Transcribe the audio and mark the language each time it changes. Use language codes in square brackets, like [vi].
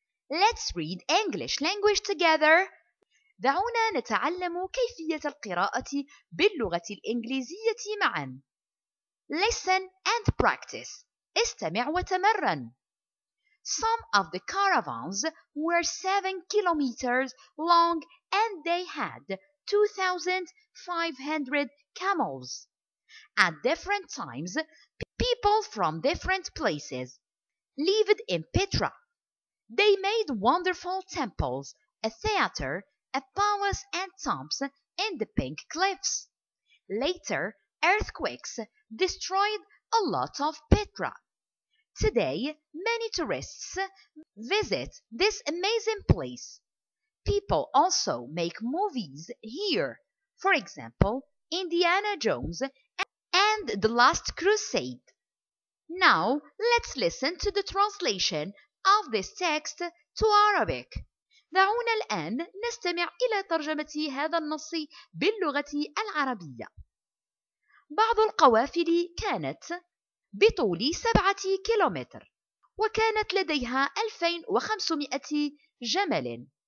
[en] Let's read English language together. [ar] دعونا نتعلم كيفية القراءة باللغة الإنجليزية معا. [en] Listen and practice. [ar] استمع وتمرن. [en] Some of the caravans were 7 kilometers long and they had 2,500 camels. At different times, people from different places lived in Petra. They made wonderful temples, a theater, a palace and tombs in the pink cliffs. Later, earthquakes destroyed a lot of Petra. Today, many tourists visit this amazing place. People also make movies here. For example, Indiana Jones and The Last Crusade. Now, let's listen to the translation of this text to Arabic. [ar] دعونا الآن نستمع إلى ترجمة هذا النص باللغة العربية. بعض القوافل كانت بطول 7 كيلومتر وكانت لديها 2500 جمل.